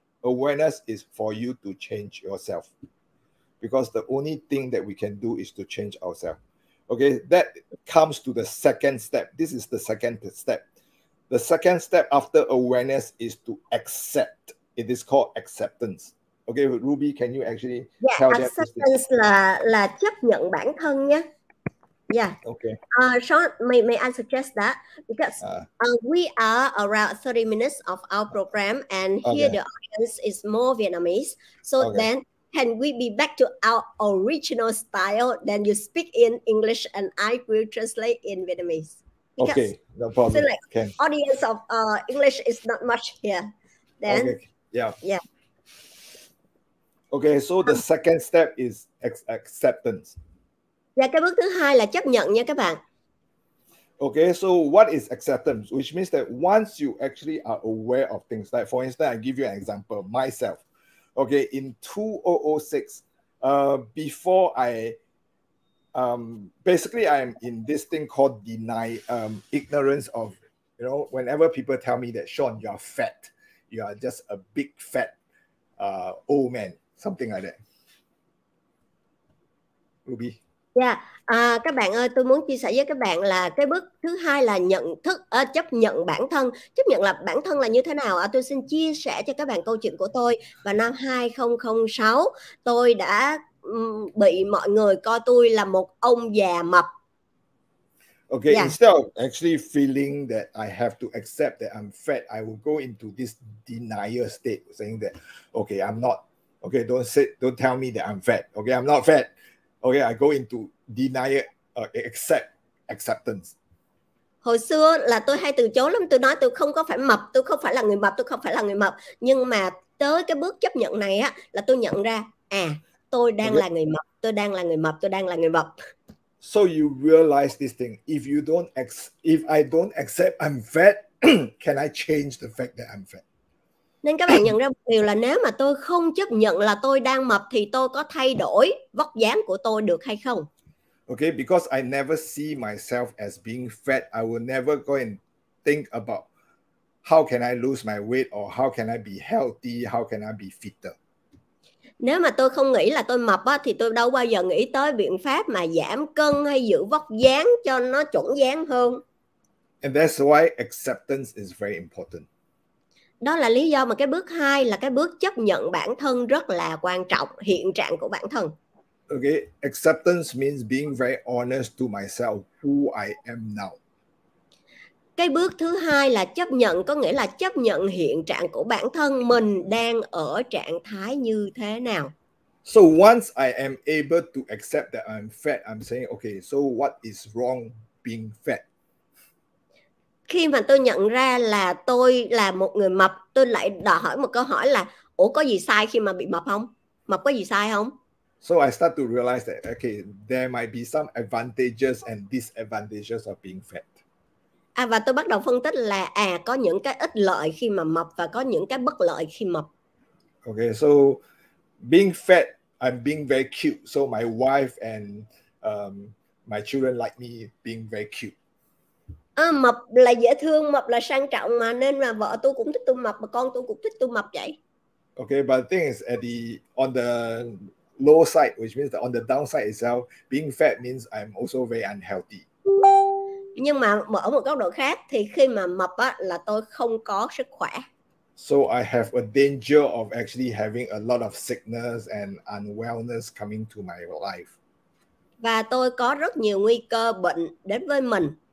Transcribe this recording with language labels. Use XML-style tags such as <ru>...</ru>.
<en>Awareness is for you to change yourself. Because the only thing that we can do is to change ourselves. Okay, that comes to the second step. This is the second step. The second step after awareness is to accept. It is called acceptance. Okay, Ruby, can you actually tell that?</en> <vi>Acceptance là chấp nhận bản thân nhé.</vi> <en>Yeah. Okay. Sean, may I suggest that? Because we are around 30 minutes of our program and here the audience is more Vietnamese. So then can we be back to our original style? Then you speak in English and I will translate in Vietnamese. Because okay, no problem. So like audience of English is not much here. Then, okay. Yeah. Yeah. Okay, so the second step is acceptance.</en> <vi>Dạ, cái bước thứ hai là chấp nhận nha các bạn.</vi> <en>Okay, so what is acceptance? Which means that once you actually are aware of things, like for instance, I give you an example, myself. Okay, in 2006, before I, basically I'm in this thing called ignorance of, you know, whenever people tell me that, Sean, you're fat, you are just a big fat old man. Something like that. Ruby. Yeah.</en> <vi>Các bạn ơi, tôi muốn chia sẻ với các bạn là cái bước thứ hai là nhận thức, chấp nhận bản thân. Chấp nhận là bản thân là như thế nào? Tôi xin chia sẻ cho các bạn câu chuyện của tôi. Vào năm 2006, tôi đã bị mọi người coi tôi là một ông già mập.</vi> <en>Okay, instead of actually feeling that I have to accept that I'm fat, I will go into this denial state saying that, okay, I'm not. Okay, don't tell me that I'm fat. Okay, I'm not fat. Okay, I go into deny it, acceptance.</en> <vi>Hồi xưa là tôi hay từ chối lắm, tôi nói tôi không có phải mập, tôi không phải là người mập, tôi không phải là người mập. Nhưng mà tới cái bước chấp nhận này á là tôi nhận ra, tôi đang là người mập, tôi đang là người mập, tôi đang là người mập.</vi> <en>So you realize this thing, if I don't accept I'm fat, can I change the fact that I'm fat?</en> <vi>Nên các bạn nhận ra một điều là nếu mà tôi không chấp nhận là tôi đang mập thì tôi có thay đổi vóc dáng của tôi được hay không?</vi> <en>Okay, because I never see myself as being fat, I will never go and think about how can I lose my weight or how can I be healthy, how can I be fitter.</en> <vi>Nếu mà tôi không nghĩ là tôi mập á, thì tôi đâu bao giờ nghĩ tới biện pháp mà giảm cân hay giữ vóc dáng cho nó chuẩn dáng hơn.</vi> <en>And that's why acceptance is very important.</en> <vi>Đó là lý do mà cái bước 2 là cái bước chấp nhận bản thân rất là quan trọng, hiện trạng của bản thân.</vi> <en>Okay, acceptance means being very honest to myself who I am now.</en> <vi>Cái bước thứ hai là chấp nhận, có nghĩa là chấp nhận hiện trạng của bản thân mình đang ở trạng thái như thế nào.</vi> <en>So once I am able to accept that I'm fat, I'm saying, okay, so what is wrong being fat?</en> <vi>Khi mà tôi nhận ra là tôi là một người mập, tôi lại đòi hỏi một câu hỏi là ủa có gì sai khi mà bị mập không? Mập có gì sai không?</vi> <en>So I start to realize that, okay, there might be some advantages and disadvantages of being fat.</en> <vi>À, và tôi bắt đầu phân tích là à có những cái ích lợi khi mà mập và có những cái bất lợi khi mập.</vi> <en>Okay, so being fat, I'm being very cute. So my wife and my children like me being very cute.</en> <vi>À, mập là dễ thương, mập là sang trọng mà nên là vợ tôi cũng thích tôi mập và con tôi cũng thích tôi mập vậy.</vi> <en>Okay, but the thing is at the on the low side, which means that on the downside itself, being fat means I'm also very unhealthy.</en> <vi>Nhưng mà ở một góc độ khác thì khi mà mập á là tôi không có sức khỏe.</vi> <en>So I have a danger of actually having a lot of sickness and unwellness coming to my life.</en> <vi>Và tôi có rất nhiều nguy cơ bệnh đến với mình.</vi>